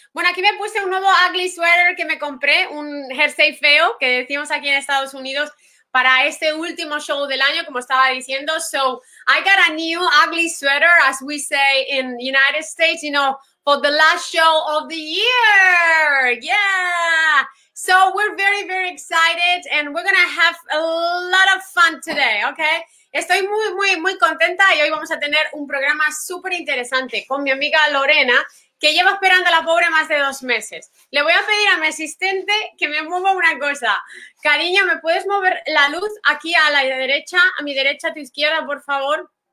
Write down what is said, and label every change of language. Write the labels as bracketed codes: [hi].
[es] Bueno, aquí me puse un nuevo ugly sweater que me compré, un jersey feo que decimos aquí en Estados Unidos para este último show del año, como estaba diciendo. [en] So, I got a new ugly sweater, as we say in the United States, you know, for the last show of the year. Yeah. So, we're very, very excited and we're gonna have a lot of fun today, okay? [es] Estoy muy, muy, muy contenta y hoy vamos a tener un programa súper interesante con mi amiga Lorena, que lleva esperando a la pobre más de 2 meses. Le voy a pedir a mi asistente que me mueva una cosa. Cariño, ¿me puedes mover la luz aquí a la derecha, a mi derecha, a tu izquierda, por favor?